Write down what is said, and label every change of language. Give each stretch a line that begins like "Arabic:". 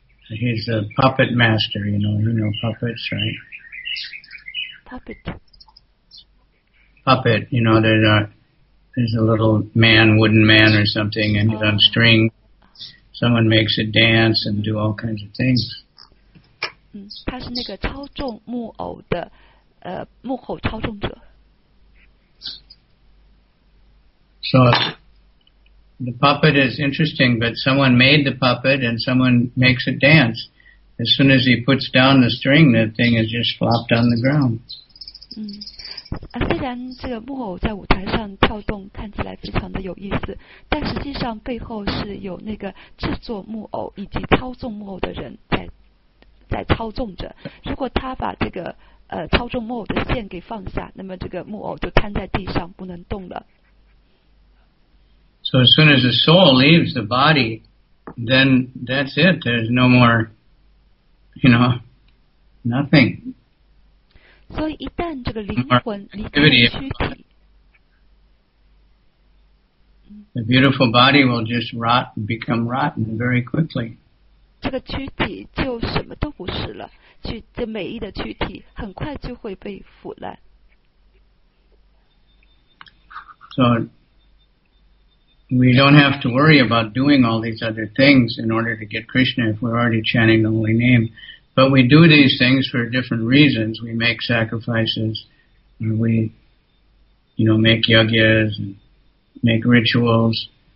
English: He's a puppet master, you know puppets, right? Puppet. Puppet, you know, there's a little man, wooden man or something, and he's on string. Someone makes it dance and do all kinds of things.
Chinese: 他是那个操纵木偶的，木偶操纵者。
English: So the puppet is interesting, but someone made the puppet and someone makes it dance. As soon as he puts down the string, the thing is just flopped on the ground.
Chinese: 虽然这个木偶在舞台上跳动看起来非常的有意思，但实际上背后是有那个制作木偶以及操纵木偶的人在操纵着。如果他把这个操纵木偶的线给放下，那么这个木偶就瘫在地上不能动了。
English: So as soon as the soul leaves the body, then that's it. There's no more, you know, nothing.
Chinese: So 一旦这个灵魂离开躯体，
English: the beautiful body will just rot and become rotten very quickly.
Chinese: 这个躯体就什么都不是了，去这美丽的躯体很快就会被腐烂。
English: So we don't have to worry about doing all these other things in order to get Krishna if we're already chanting the holy name. But we do these things for different reasons. We make sacrifices, and we, you know, make yajnas, and make rituals.